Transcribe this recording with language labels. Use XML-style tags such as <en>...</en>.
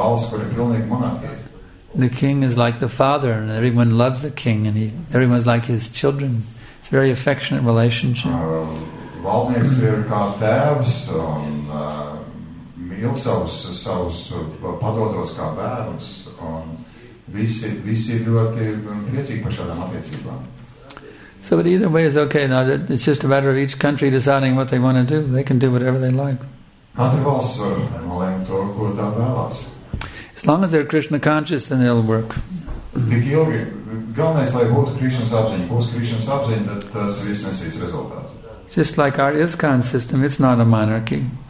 <en>The king is like the father, and everyone loves the king, and everyone's like his children. It's a very affectionate relationship.</en> <lv>Valdnieks ir kā tēvs un mīl savus padodos kā bērns un visi ļoti priecīgi par šādām attiecībām.</lv> <en>So but either way is okay. Now it's just a matter of each country deciding what they want to do. They can do whatever they like.</en> <lv>Katra valsts var nolēmt to, ko tā vēlās.</lv> <en>As long as they're Krishna conscious, then it'll work.</en> <lv>Tik ilgi. Galvenais, lai būtu Krišnas apziņa. Būs Krišnas apziņa, tad tas viss nesīs rezultātu.</lv> <en>Just like our ISKCON system, it's not a monarchy.</en>